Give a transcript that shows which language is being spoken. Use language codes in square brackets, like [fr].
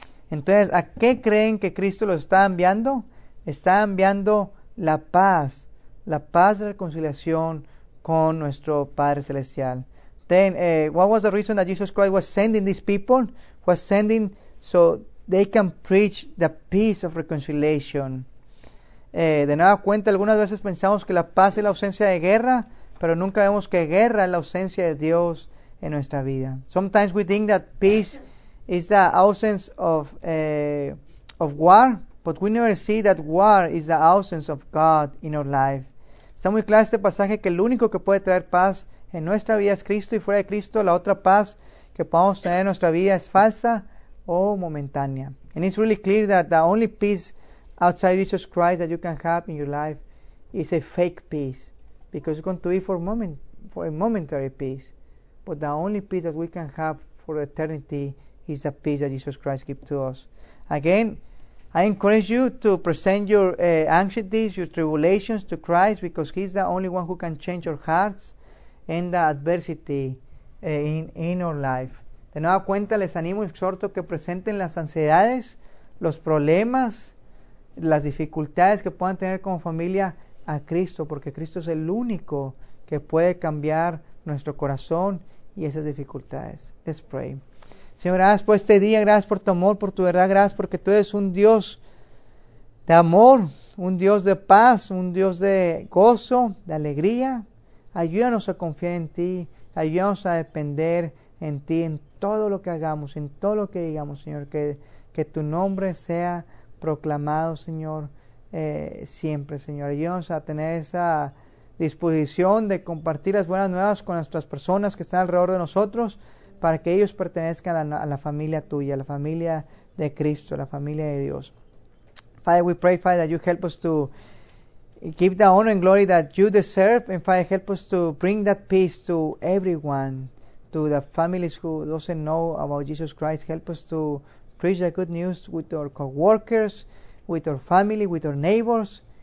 [es] Entonces, ¿a qué creen que Cristo los está enviando? Está enviando la paz de reconciliación con nuestro Padre Celestial. [en] Then, what was the reason that Jesus Christ was sending these people? Was sending so they can preach the peace of reconciliation. [es] De nueva cuenta, algunas veces pensamos que la paz es la ausencia de guerra, pero nunca vemos que guerra es la ausencia de Dios en nuestra vida. [en] Sometimes we think that peace is the absence of war, but we never see that war is the absence of God in our life. [es] Está muy claro este pasaje que el único que puede traer paz en nuestra vida es Cristo, y fuera de Cristo la otra paz que podamos tener en nuestra vida es falsa o momentánea. [en] And it's really clear that the only peace outside Jesus Christ that you can have in your life is a fake peace, because it's going to be for a momentary peace. But the only peace that we can have for eternity is the peace that Jesus Christ gives to us. Again, I encourage you to present your anxieties, your tribulations to Christ, because He's the only one who can change our hearts and the adversity in our life. [es] De nueva cuenta, les animo y exhorto que presenten las ansiedades, los problemas, las dificultades que puedan tener como familia a Cristo, porque Cristo es el único que puede cambiar nuestro corazón y esas dificultades. [en] Let's pray. [es] Señor, gracias por este día, gracias por tu amor, por tu verdad, gracias porque tú eres un Dios de amor, un Dios de paz, un Dios de gozo, de alegría. Ayúdanos a confiar en ti, ayúdanos a depender en ti, en todo lo que hagamos, en todo lo que digamos, Señor, que tu nombre sea proclamado, Señor, siempre, Señor. Ayúdanos a tener esa disposición de compartir las buenas nuevas con nuestras personas que están alrededor de nosotros, para que ellos pertenezcan a la familia tuya, a la familia de Cristo, a la familia de Dios. [en] Father, we pray, Father, that you help us to give the honor and glory that you deserve, and Father, help us to bring that peace to everyone, to the families who doesn't know about Jesus Christ. Help us to preach the good news with our co-workers, with our family, with our neighbors.